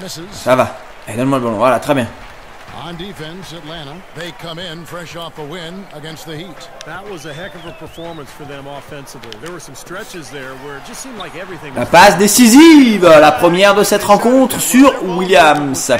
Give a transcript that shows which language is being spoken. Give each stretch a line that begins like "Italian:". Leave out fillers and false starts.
French: Ça va. Allez, donne-moi le ballon. Voilà, très bien.
English: On defense, Atlanta. They come in fresh off a win against the Heat. That was a heck of a performance for them offensively. There were some stretches there where it just seemed like everything.
French: La passe décisive, la première de cette rencontre sur Williams.